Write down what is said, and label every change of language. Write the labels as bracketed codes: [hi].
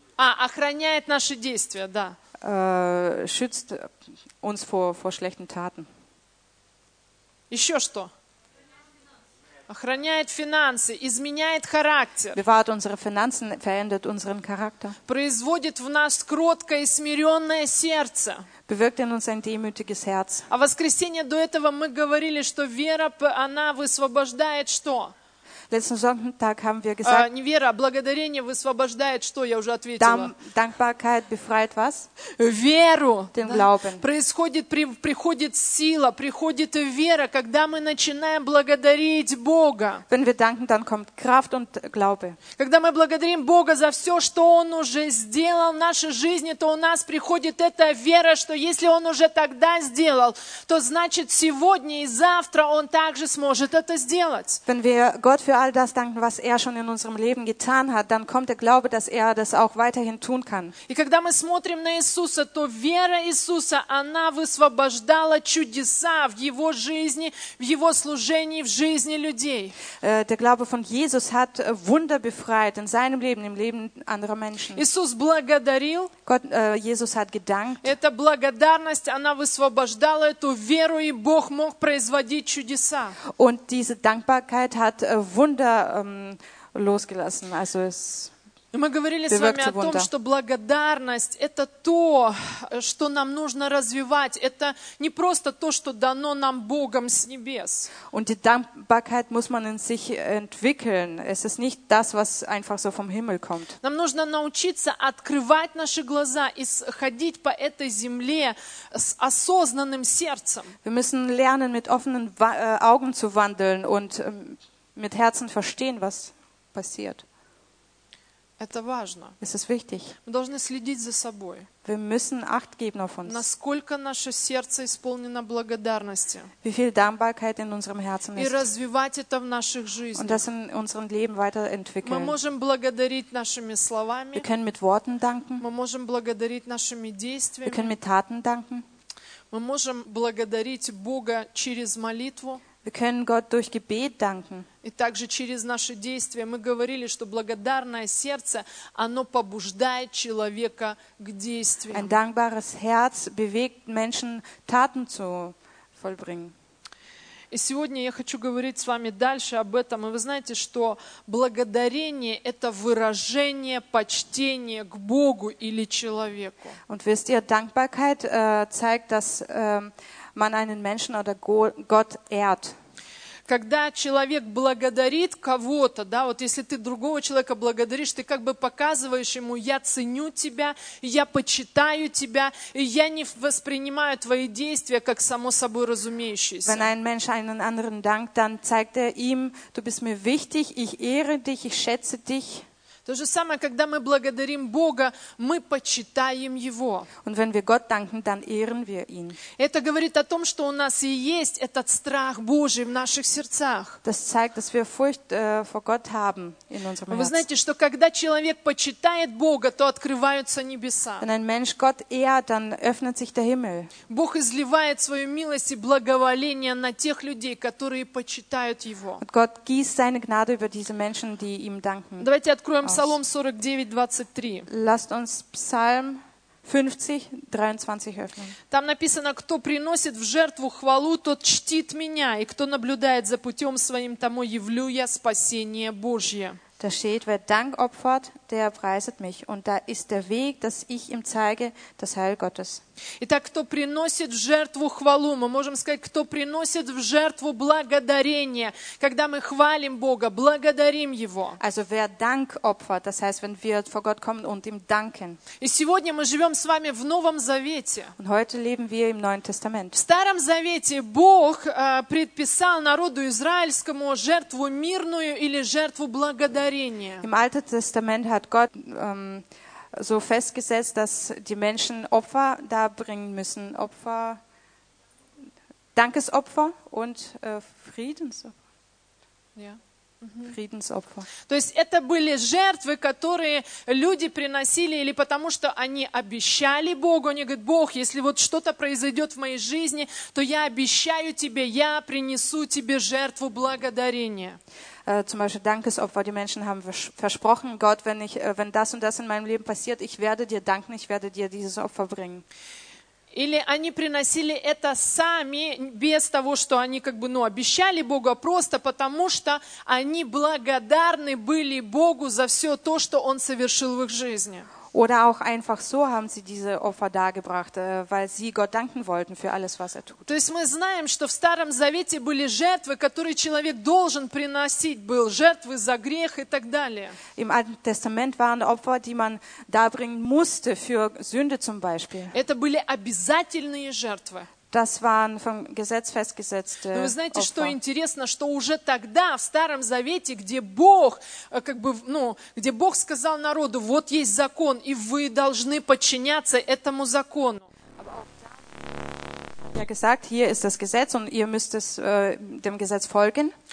[ru] А, охраняет наши действия, да. [de] Schützt uns vor schlechten Taten. [ru] Еще что? Охраняет финансы, изменяет характер. [de] Bewahrt unsere Finanzen, verändert unseren Charakter. [ru] Производит в нас кроткое и смиренное сердце. [de] Bewirkt in uns ein demütiges Herz. [ru] А в воскресенье до этого мы говорили, что вера, она высвобождает что? [de] Letzten Sonntag haben wir gesagt, [ru] не вера, а благодарение высвобождает что? Я уже ответила. [de] Dankbarkeit befreit was? [ru] Веру. [de] Den Glauben. [ru] Происходит, приходит сила, приходит вера, когда мы начинаем благодарить Бога. [de] Wenn wir danken, dann kommt Kraft und Glaube. [ru] Когда мы благодарим Бога за все, что Он уже сделал в нашей жизни, то у нас приходит эта вера, что если Он уже тогда сделал, то значит сегодня и завтра Он также сможет это сделать. [de] Wenn wir Gott für all das danken, was er schon in unserem Leben getan hat, dann kommt der Glaube, dass er das auch weiterhin tun kann. [ru] И когда мы смотрим на Иисуса, то вера Иисуса, она высвобождала чудеса в его жизни, в его служении, в жизни людей. [de] Der Glaube von Jesus hat Wunder befreit in seinem Leben, im Leben anderer Menschen. [ru] Иисус благодарил. [de] Jesus hat gedankt. [ru] Эта благодарность, она высвобождала эту веру, и Бог мог производить чудеса. [de] Und diese Dankbarkeit hat Wunder losgelassen. Also es [ru] Мы говорили с вами о том, что благодарность – это то, что нам нужно развивать. Это не просто то, что дано нам Богом с небес. [de] Und die Dankbarkeit muss man in sich entwickeln. Es ist nicht das, was einfach so vom Himmel kommt. [ru] Нам нужно научиться открывать наши глаза и ходить по этой земле с осознанным сердцем. [de] Wir müssen lernen, mit offenen Augen zu wandeln und mit Herzen verstehen, was passiert. [ru] Это важно. [de] Es ist wichtig. [ru] Мы должны следить за собой. [de] Wir müssen acht geben auf uns. [ru] Насколько наше сердце исполнено благодарности. [de] Wie viel Dankbarkeit in unserem Herzen ist. [ru] И развивать это в наших жизнях. [de] Und das in unserem Leben weiterentwickeln. [ru] Мы можем благодарить нашими словами. [de] Wir können mit Worten danken. [ru] Мы можем благодарить нашими действиями. [de] Wir können mit Taten danken. [ru] Мы можем благодарить Бога через молитву. [de] Wir können Gott durch Gebet danken. [ru] И также через наши действия мы говорили, что благодарное сердце, оно побуждает человека к действиям. [de] Ein dankbares Herz bewegt Menschen, Taten zu vollbringen. [ru] И сегодня я хочу говорить с вами дальше об этом. И вы знаете, что благодарение – это выражение почтения к Богу или человеку. [de] Und wisst ihr, Dankbarkeit zeigt, dass man einen Menschen oder Gott ehrt. [ru] Когда человек благодарит кого-то, да, вот если ты другого человека благодаришь, ты как бы показываешь ему, я ценю тебя, я почитаю тебя, и я не воспринимаю твои действия как само собой разумеющиеся. [de] Wenn ein Mensch einen anderen dankt, dann zeigt ihm, du bist mir wichtig, ich ehre dich, ich schätze dich. [ru] То же самое, когда мы благодарим Бога, мы почитаем Его. [de] Und wenn wir Gott danken, dann ehren wir ihn. [ru] Это говорит о том, что у нас и есть этот страх Божий в наших сердцах. [de] Das zeigt, dass wir Furcht vor Gott haben in unserem Herzen. [ru] Вы знаете, что когда человек почитает Бога, то открываются небеса. [de] Wenn ein Mensch Gott ehrt, dann öffnet sich der Himmel. [ru] Бог изливает свою милость и благоволение на тех людей, которые почитают Его. [de] Und Gott gießt seine Gnade über diese Menschen, die ihm danken. [ru] Давайте откроем Psalm 49:23. [de] Lasst uns Psalm 50, 23 öffnen. [ru] Там написано, кто приносит в жертву хвалу, тот чтит меня, и кто наблюдает за путем своим, тому явлю я спасение Божье. [de] Da steht, wer Dank opfert, der preiset mich. Und da ist der Weg, dass ich ihm zeige, das Heil Gottes. [ru] Итак, кто приносит в жертву хвалу? Мы можем сказать, кто приносит в жертву благодарение, когда мы хвалим Бога, благодарим Его. [de] Also, wer Dank opfert, das heißt, wenn wir vor Gott kommen und ihm danken. [ru] И сегодня мы живем с вами в Новом Завете. [de] Und heute leben wir im Neuen Testament. [ru] В Старом Завете Бог предписал народу израильскому жертву мирную или жертву благодарения. [de] Im Alten Testament hat Gott so festgesetzt, dass die Menschen Opfer da bringen müssen. Opfer, Dankesopfer und Friedensopfer. Ja. Friedensopfer. [ru] То есть это были жертвы, которые люди приносили или потому что они обещали Богу. Они говорят: Бог, если вот что-то произойдет в моей жизни, то я обещаю тебе, я принесу тебе жертву благодарения. [de] Zum Beispiel Dankesopfer. Die Menschen haben versprochen: Gott, wenn das und das in meinem Leben passiert, ich werde dir danken, ich werde dir dieses Opfer bringen. [ru] Или они приносили это сами, без того, что они как бы, ну, обещали Богу, а просто потому, что они благодарны были Богу за все то, что Он совершил в их жизни. [de] Oder auch einfach so haben sie diese Opfer dargebracht, weil sie Gott danken wollten für alles, was er tut. [ru] То есть мы знаем, что в Старом Завете были жертвы, которые человек должен приносить, был жертвы за грех и так далее. [de] Im Alten Testament waren Opfer, die man darbringen musste für Sünde zum Beispiel. [ru] Это были обязательные жертвы. [de] Das waren vom Gesetz festgesetzte Opfer. [ru] Вы знаете, [de] Opfer. [ru] Что интересно, что уже тогда в Старом Завете, где Бог, как бы, ну, где Бог сказал народу: вот есть закон, и вы должны подчиняться этому закону. [de] Ja, gesagt, hier ist das Gesetz und ihr müsst es dem Gesetz folgen.